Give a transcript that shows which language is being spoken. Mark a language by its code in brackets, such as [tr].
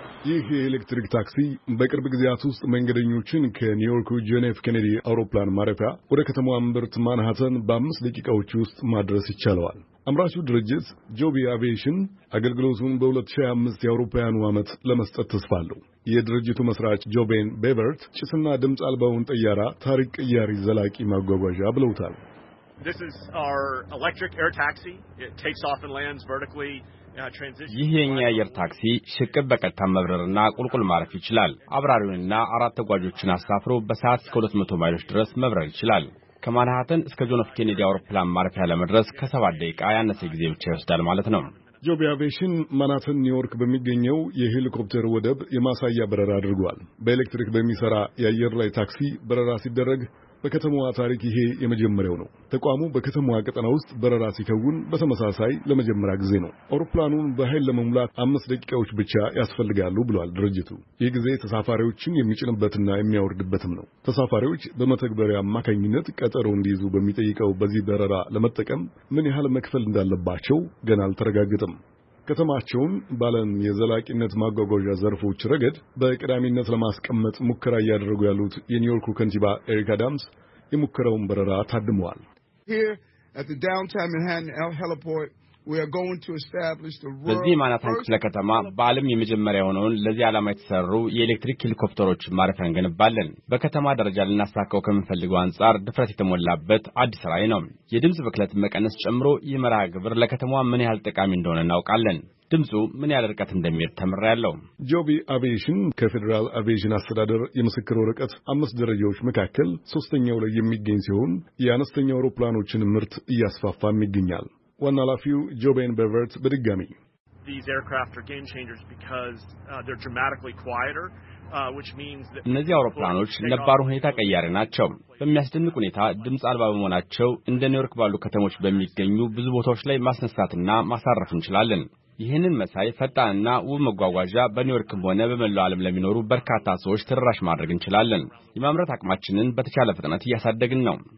[am] ይህ የኤሌክትሪክ ታክሲ በቅርብ ጊዜያት ውስጥ መንገደኞችን ከኒውዮርክ ጆን ኤፍ ኬኔዲ አውሮፕላን ማረፊያ ወደ ከተማዋ ምብርት ማንሃተን በአምስት ደቂቃዎች ውስጥ ማድረስ ይቻለዋል። አምራቹ ድርጅት ጆቢ አቪዬሽን አገልግሎቱን በ2025 የአውሮፓውያኑ ዓመት ለመስጠት ተስፋ አለው። የድርጅቱ መስራች ጆቤን ቤቨርት ጭስና ድምፅ አልባውን ጠያራ ታሪክ ቀያሪ ዘላቂ ማጓጓዣ ብለውታል። [en] This is our electric air taxi. It takes off and lands vertically. [am] ይሄኛ የአየር ታክሲ ሽቅብ በቀጥታ መብረርና ቁልቁል ማረፍ ይችላል። አብራሪውንና አራት ተጓዦችን አሳፍሮ በሰዓት እስከ 200 ማይሎች ድረስ መብረር ይችላል። ከማንሃተን እስከ ጆን ኤፍ ኬኔዲ አውሮፕላን ማረፊያ ለመድረስ ከ7 ደቂቃ ያነሰ ጊዜ ብቻ ይወስዳል ማለት ነው። ጆቢ አቪዬሽን ማንሃተን ኒውዮርክ በሚገኘው የሄሊኮፕተር ወደብ የማሳያ በረራ አድርጓል። በኤሌክትሪክ በሚሰራ የአየር ላይ ታክሲ በረራ ሲደረግ በከተማዋ ታሪክ ይሄ የመጀመሪያው ነው። ተቋሙ በከተማዋ ቀጠና ውስጥ በረራ ሲከውን በተመሳሳይ ለመጀመሪያ ጊዜ ነው። አውሮፕላኑን በኃይል ለመሙላት 5 ደቂቃዎች ብቻ ያስፈልጋሉ ብሏል ድርጅቱ። ይህ ጊዜ ተሳፋሪዎችን የሚጭንበትና የሚያወርድበትም ነው። ተሳፋሪዎች በመተግበሪያ አማካኝነት ቀጠሮ እንዲይዙ በሚጠይቀው በዚህ በረራ ለመጠቀም ምን ያህል መክፈል እንዳለባቸው ገና አልተረጋገጠም። ከተማቸውን ባለን የዘላቂነት ማጓጓዣ ዘርፎች ረገድ በቀዳሚነት ለማስቀመጥ ሙከራ እያደረጉ ያሉት የኒውዮርክ ከንቲባ ኤሪክ አዳምስ የሙከራውን በረራ ታድመዋል። [en] Here at the downtown Manhattan heliport we are going to establish the world's [am] በዚህ ማናታን ክፍለ ከተማ ባለም የመጀመሪያ የሆነውን ለዚህ ዓላማ የተሰሩ የኤሌክትሪክ ሄሊኮፕተሮች ማረፊያ እንገነባለን። በከተማ ደረጃ ለናስተካከው ከመፈልገው አንጻር ድፍረት የተሞላበት አዲስ ራዕይ ነው። የድምጽ ብክለት መቀነስ ጨምሮ የመራ ግብር ለከተማዋ ምን ያህል ጠቃሚ እንደሆነ እናውቃለን። ድምጹ ምን ያህል ርቀት እንደሚሄድ ተመረያለው። ጆቢ አቪዬሽን ከፌደራል አቪዬሽን አስተዳደር የመስክር ወረቀት 5 ደረጃዎች መካከል 3ኛው ላይ የሚገኝ ሲሆን የአነስተኛ አውሮፕላኖችን ምርት እያስፋፋም ይገኛል። ወናላፊው ጆቤን በቨርት በድጋሚ [en] These aircraft are game changers because they're dramatically quieter which means that [am] እነዚህ አውሮፕላኖች ለባሩ ሁኔታ ቀያሪ ናቸው። በሚያስደንቅ ሁኔታ ድምጽ አልባ በመሆናቸው እንደ ኒውዮርክ ባሉ ከተሞች በሚገኙ ብዙ ቦታዎች ላይ ማስነሳትና ማሳረፍ እንችላለን። ይህንን መሳይ ፈጣንና ውብ መጓጓዣ በኒውዮርክም ሆነ በመላው ዓለም ለሚኖሩ በርካታ ሰዎች ተደራሽ ማድረግ እንችላለን። የማምረት አቅማችንን በተቻለ ፍጥነት እያሳደግን ነው።